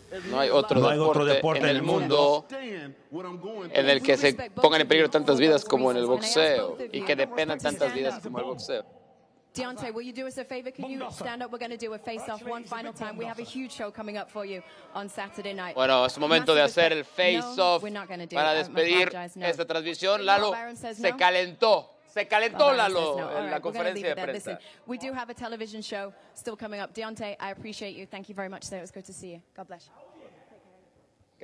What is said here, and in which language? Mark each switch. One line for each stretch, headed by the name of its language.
Spanish: No hay otro deporte en el mundo en el que se pongan en peligro tantas vidas como en el boxeo y que dependan tantas vidas como el boxeo.
English: Deontay, will you do us a favor? Can you stand up? We're going to do a face-off one final time. We have a huge show coming up for you on Saturday night.
Spanish: Bueno, es momento de hacer el face-off para despedir esta transmisión. Lalo se calentó. Se calentó Lalo en la conferencia de prensa.
English: We do have a television show still coming up. Deontay, I appreciate you. Thank you very much, sir. It was good to see you. God bless you.